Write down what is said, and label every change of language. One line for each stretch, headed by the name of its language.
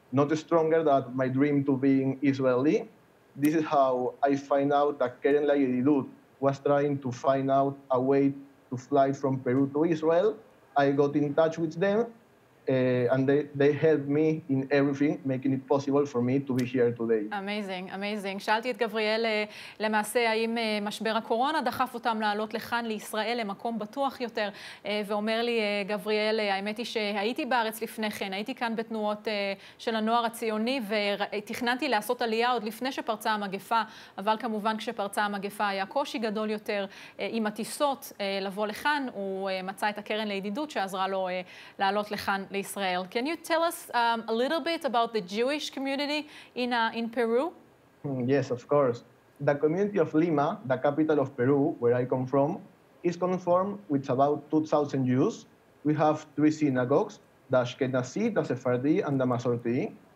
English: not stronger than my dream to be in Israeli. This is how I find out that Keren Lagidilut was trying to find out a way to fly from Peru to Israel. I got in touch with them, and they helped me in everything, making it possible for me to be here today. Amazing, amazing.
Hebrew: שאלתי את גבריאל למעשה האם משבר הקורונה דחף אותם לעלות לכאן, לישראל, למקום בטוח יותר, ואומר לי גבריאל, האמת היא שהייתי בארץ לפני כן, הייתי כאן בתנועות של הנוער הציוני, ותכננתי לעשות עלייה עוד לפני שפרצה המגפה, אבל כמובן כשפרצה המגפה היה קושי גדול יותר עם הטיסות לבוא לכאן, הוא מצא את הקרן לידידות שעזרה לו לעלות לכאן, Israel.
English: Can you tell us a little bit about the Jewish community in Peru? Yes, of course. The community of Lima, the capital of Peru, where I come from, is conformed with about 2,000 Jews. We have three synagogues, the Ashkenazi, the Sephardi, and the Masorti.